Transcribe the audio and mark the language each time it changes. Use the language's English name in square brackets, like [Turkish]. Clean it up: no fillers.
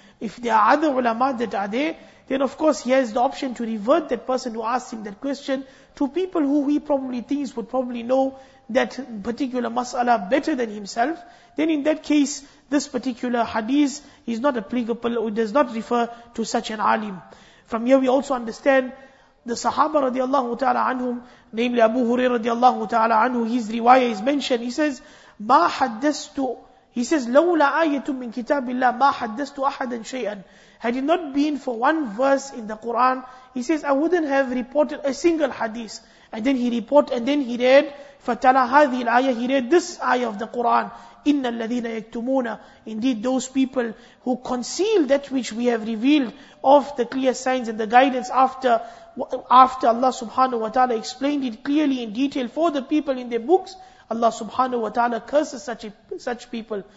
[English] If there are other ulama that are there, then of course he has the option to revert that person who asked him that question to people who he probably thinks would probably know that particular mas'ala better than himself. Then in that case, this particular hadith is not applicable, or does not refer to such an alim. From here we also understand the Sahaba radiallahu ta'ala anhum, namely Abu Hurairah radiallahu ta'ala anhu, his riwayah is mentioned. He says, [Arabic] مَا حَدَّثْتُ, [English] he says, [Arabic] لَوْلَا آيَةٌ مِّن كِتَابِ اللَّهِ مَا حَدَّثْتُ أَحَدًا شَيْئًا. [English] Had it not been for one verse in the Quran, he says, I wouldn't have reported a single hadith. And then he read, [Arabic] فَتَلَى هَذِي الْآيَةِ, [English] he read this ayah of the Quran. [Arabic] إِنَّ الَّذِينَ يَكْتُمُونَ, [English] indeed those people who conceal that which we have revealed of the clear signs and the guidance after Allah subhanahu wa ta'ala explained it clearly in detail for the people in their books, Allah subhanahu wa ta'ala curses such people.